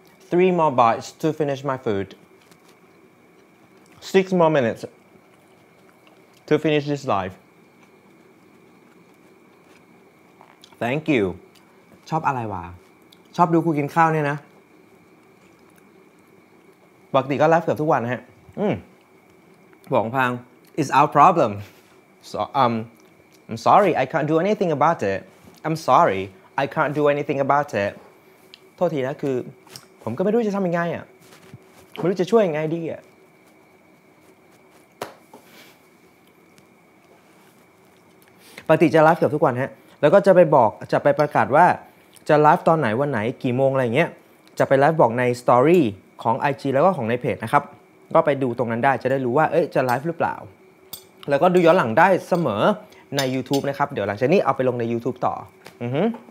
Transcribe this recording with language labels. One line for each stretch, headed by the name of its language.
English: Three more bites to finish my food. Six more minutes to finish this life. Thank you.
Thai: ชอบอะไรวะ ชอบดูครูกินข้าวเนี่ยนะปกติก็ไลฟ์เกือบทุกวันนะฮะบอกพัง
English: It's our problem so, I'm sorry I can't do anything about it I'm sorry I can't do anything about it
Thai: โทษทีนะคือผมก็ไม่รู้จะทำยังไงอ่ะไม่รู้จะช่วยยังไงดีอ่ะ ปกติจะไลฟ์เกือบทุกวันฮะแล้วก็จะไปบอกจะไปประกาศว่าจะไลฟ์ตอนไหนวันไหนกี่โมงอะไรเงี้ยจะไปไลฟ์บอกในสตอรี่ของ IG แล้วก็ของในเพจนะครับก็ไปดูตรงนั้นได้จะได้รู้ว่าเอ้ยจะไลฟ์หรือเปล่าแล้วก็ดูย้อนหลังได้เสมอใน YouTube นะครับเดี๋ยวหลังจากนี้เอาไปลงใน YouTube ต่ออือฮึ